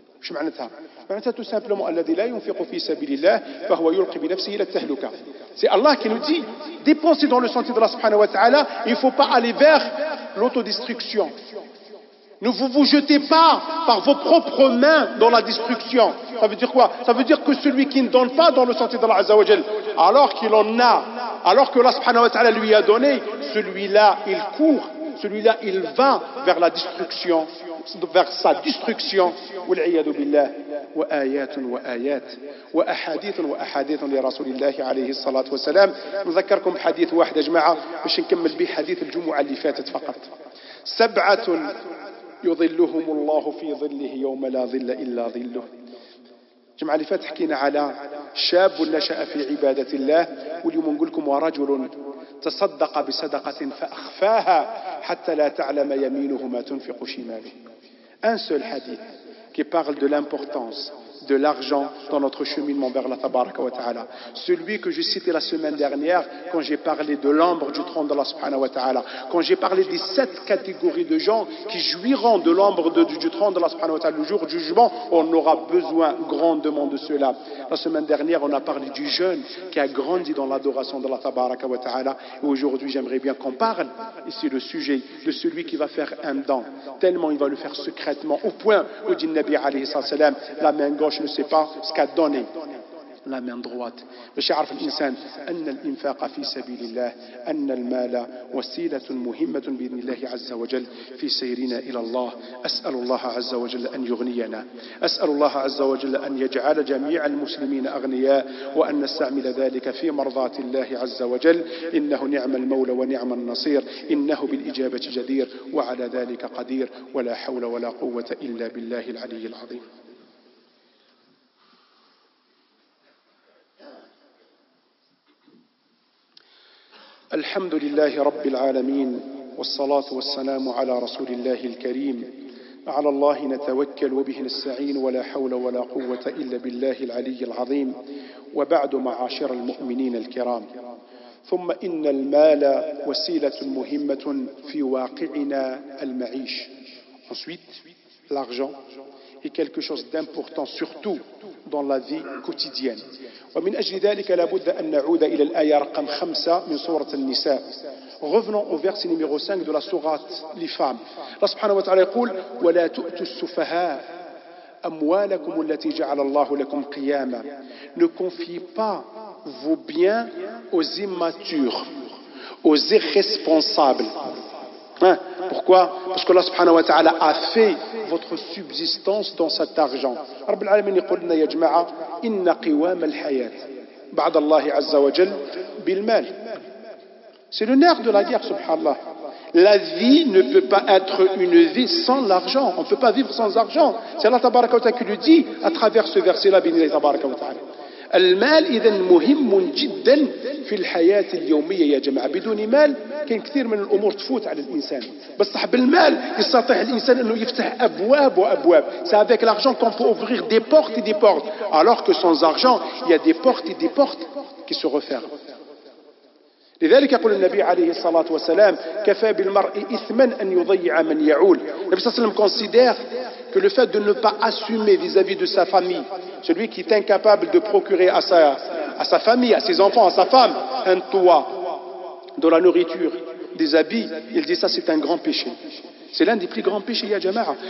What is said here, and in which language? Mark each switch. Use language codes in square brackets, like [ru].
[ar] شو معناتها؟ معناتها [fr] تو سامبلومون [ar] الذي لا ينفق في سبيل الله فهو يلقي بنفسه الى التهلكه. [fr] C'est Allah qui nous dit, dépenser dans le sentier d'Allah subhanahu wa ta'ala, il ne faut pas aller vers l'autodestruction. Ne vous vous jetez pas par vos propres mains dans la destruction. Ça veut dire quoi? Ça veut dire que celui qui ne donne pas dans le sentier d'Allah azza wa jal, alors qu'il en a, alors que Allah subhanahu wa ta'ala lui a donné, celui-là il court, celui-là il va vers la destruction, vers sa destruction. [ar] Wal'iyadu billah. وآيات وآيات وأحاديث وأحاديث لرسول الله عليه الصلاة والسلام. نذكركم حديث واحد يا جماعة باش نكمل به حديث الجمعة اللي فاتت فقط. سبعة يظلهم الله في ظله يوم لا ظل إلا ظله. جماعة اللي فاتت حكينا على شاب نشأ في عبادة الله، واليوم نقول لكم ورجل تصدق بصدقة فأخفاها حتى لا تعلم يمينه ما تنفق شماله. [fr] أن سول حديث qui parle de l'importance de l'argent dans notre cheminement vers la tabaraka wa ta'ala. Celui que je citais la semaine dernière, quand j'ai parlé de l'ombre du trône d'Allah subhanahu wa ta'ala, quand j'ai parlé des sept catégories de gens qui jouiront de l'ombre du trône d'Allah subhanahu wa ta'ala le jour du jugement, on aura besoin grandement de cela. La semaine dernière, on a parlé du jeune qui a grandi dans l'adoration d'Allah tabaraka wa ta'ala. Et aujourd'hui, j'aimerais bien qu'on parle, ici le sujet, de celui qui va faire un don, tellement il va le faire secrètement, au point où dit Nabi alayhi sallam, la main gauche ne sait pas ce qu'a donné la main droite. Le chef de l'insan, [ar] أن الإنفاق في سبيل الله أن المال وسيلة مهمة بإذن الله عز وجل في سيرنا إلى الله. أسأل الله عز وجل أن يغنينا، أسأل الله عز وجل أن يجعل جميع المسلمين أغنياء، وأن نستعمل ذلك في مرضات الله عز وجل. إنه نعم المولى ونعم النصير، إنه بالإجابة جدير وعلى ذلك قدير، ولا حول ولا قوة إلا بالله العلي العظيم. الحمد لله رب العالمين، والصلاة والسلام على رسول الله الكريم. على الله نتوكل وبه نستعين، ولا حول ولا قوة إلا بالله العلي العظيم. وبعد، معاشر المؤمنين الكرام، ثم إن المال وسيلة مهمة في واقعنا المعيش. [fr] Ensuite, l'argent est quelque chose d'important surtout dans la vie quotidienne. [ar] ومن أجل ذلك لابد أن نعود إلى الآية رقم 5 من سورة النساء. [fr] Revenons au verset numéro 5 de la sourate Les Femmes. [ar] الله سبحانه وتعالى يقول ولا تؤتوا السفهاء أموالكم التي جعل الله لكم قياما. [fr] Ne confiez pas vos biens aux immatures, aux irresponsables. Hein? Pourquoi? Parce que Allah subhanahu wa ta'ala a fait votre subsistance dans cet argent. [ar] رب العالمين يقولنا يا جماعة إن قوام الحياة بعد الله عز وجل بالمال. [fr] C'est le nerf de la guerre, subhanallah. La vie ne peut pas être une vie sans l'argent. On ne peut pas vivre sans argent. C'est Allah tabaraka wa ta'ala qui le dit à travers ce verset-là, [ar] بإذن الله تبارك وتعالى. المال إذا مهم جدا في الحياة اليومية يا جماعة. بدون مال كان كثير من الأمور تفوت على الإنسان. بصح بالمال يستطيع الإنسان أنه يفتح أبواب وأبواب. [fr] C'est avec l'argent qu'on peut ouvrir des portes et des portes. Alors que sans argent, il y a des portes et des portes qui se referment. [ar] لذلك يقول النبي عليه الصلاة والسلام كفى بالمرء إثما أن يضيع من يعول. [fr] النبي صلى الله عليه وسلم considère que le fait de ne pas assumer vis-à-vis de sa famille, celui qui est incapable de procurer à sa famille, à ses enfants, à sa femme, un toit, de la nourriture, des habits, il dit ça c'est un grand péché. C'est l'un des plus grands péchés, ya jama'a.